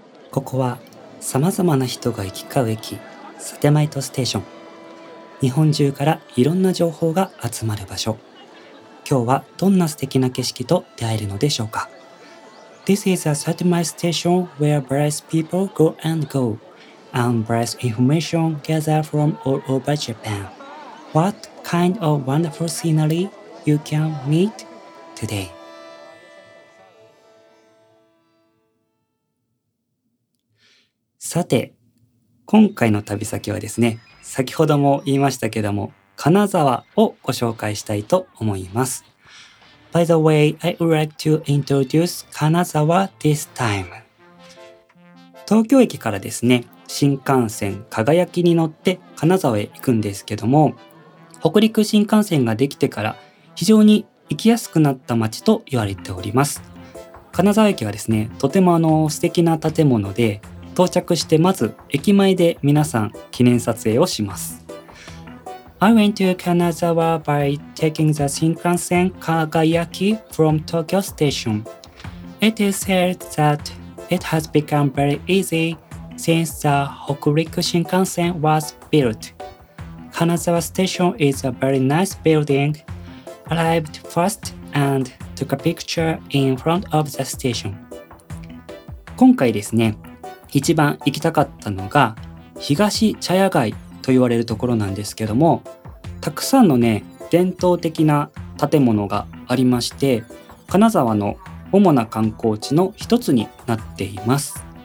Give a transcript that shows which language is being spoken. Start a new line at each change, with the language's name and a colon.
Japanese: ここはさまざまな人が行き交う駅、サテマイトステーション。日本中からいろんな情報が集まる場所。今日はどんな素敵な景色と出会えるのでしょうか。
English: This is a satellite station where various people go and go, and various information gather from all over Japan. What kind of wonderful scenery you can meet today?
Japanese: さて、今回の旅先はですね、先ほども言いましたけども、金沢をご紹介したいと思います。
English: By the way, I would like to introduce Kanazawa this time.
Japanese: 東京駅からですね、新幹線輝きに乗って金沢へ行くんですけども、北陸新幹線ができてから非常に行きやすくなった街と言われております。金沢駅はですね、とても素敵な建物で、到着してまず駅前で皆さん記念撮影をします。
English: I went to Kanazawa by taking the Shinkansen Kagayaki from Tokyo Station. It is said that it has become very easy since the Hokuriku Shinkansen was built. Kanazawa Station is a very nice building. Arrived first and took a picture in front of the station.
Japanese: 今回ですね、一番行きたかったのが東茶屋街と言われるところなんですけども、たくさんのね伝統的な建物がありまして、金沢の主な観光地の一つになっています。